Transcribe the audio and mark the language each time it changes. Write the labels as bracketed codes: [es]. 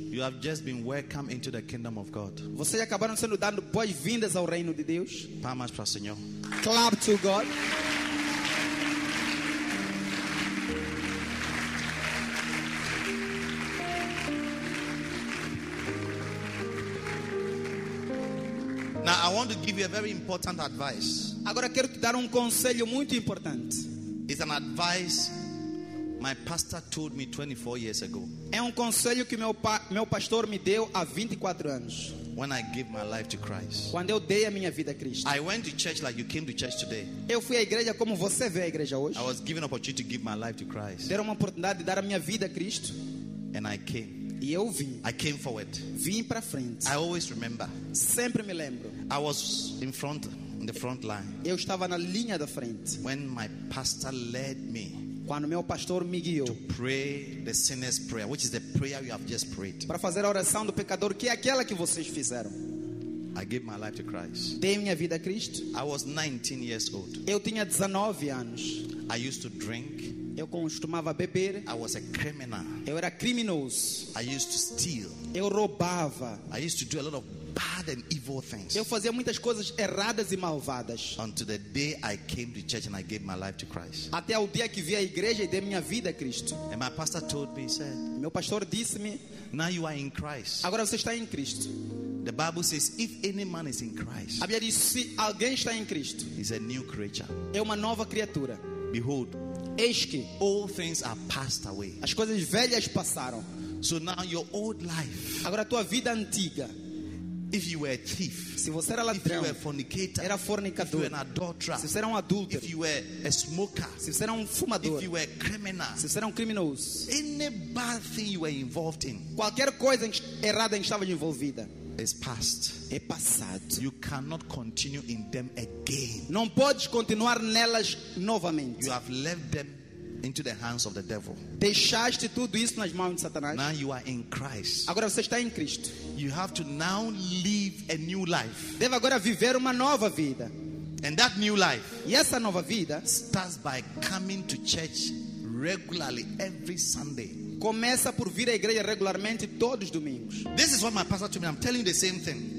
[en] You have just been welcomed into the kingdom of God. [pt] Vocês acabaram sendo dando boas-vindas ao reino de Deus. Palmas para o Senhor. [en] Clap to God. Now I want to give you a very important advice. [pt] Agora quero te dar conselho muito importante. [en] It's an advice my pastor told me 24 years ago. [pt] É conselho que meu pastor me deu há 24 anos. [en] When I gave my life to Christ. [pt] Quando eu dei a minha vida a Cristo. [en] I went to church like you came to church today. [pt] Eu fui à igreja como você veio à igreja hoje. [en] I was given an opportunity to give my life to Christ. [pt] Deram oportunidade de dar a minha vida a Cristo. [en] And I came. [pt] E eu vim. [en] I came forward. [pt] Vim para frente. [en] I always remember. [pt] Sempre me lembro. [en] I was in front, in the front line. [pt] Eu estava na linha da frente. [en] When my pastor led me. [pt] Quando meu pastor me guiou. [en] To pray the sinner's prayer, which is the prayer you have just prayed. [pt] Para fazer a oração do pecador, que é aquela que vocês fizeram. [en] I gave my life to Christ. [pt] Dei minha vida a Cristo. [en] I was 19 years old. [pt] Eu tinha 19 anos. [en] I used to drink. [pt] Eu costumava beber. [en] I was a criminal. [pt] Eu era criminoso. [en] I used to steal. [pt] Eu roubava. [en] I used to do a lot of bad and evil things. [pt] Eu fazia muitas coisas erradas e malvadas. [en] Until the day I came to church and I gave my life to Christ. [pt] Até o dia que vi a igreja e dei minha vida a Cristo. [en] And my pastor told me, he said. [pt] Meu pastor disse-me. [en] Now you are in Christ. [pt] Agora você está em Cristo. [en] The Bible says, if any man is in Christ. [pt] A Bíblia diz, se alguém está em Cristo. [en] He's a new creature. [pt] É uma nova criatura. [en] Behold. [pt] Eis que. [en] All things are passed away. [pt] As coisas velhas passaram. [en] So now your old life. [pt] Agora tua vida antiga. [en] If you were a thief, [pt] se você era ladrão, [en] if you were a fornicator, [pt] era fornicador, [en] if you were an adulterer, [pt] se você era adulto, [en] if you were a smoker, [pt] se você era fumador, [en] if you were a criminal, [pt] se você era criminoso, [en] any bad thing you were involved in, [pt] qualquer coisa errada em que estava envolvida, [en] is past. [pt] É passado. [en] You cannot continue in them again. [pt] Não podes continuar nelas novamente. [en] You have left them into the hands of the devil. [pt] Deixaste tudo isso nas mãos de Satanás. [en] Now you are in Christ. [pt] Agora você está em Cristo. [en] You have to now live a new life. [pt] Deve agora viver uma nova vida. [en] And that new life. [pt] E essa nova vida [en] starts by coming to church regularly every Sunday. [pt] Começa por vir à igreja regularmente todos os domingos. [en] This is what my pastor told me. I'm telling you the same thing.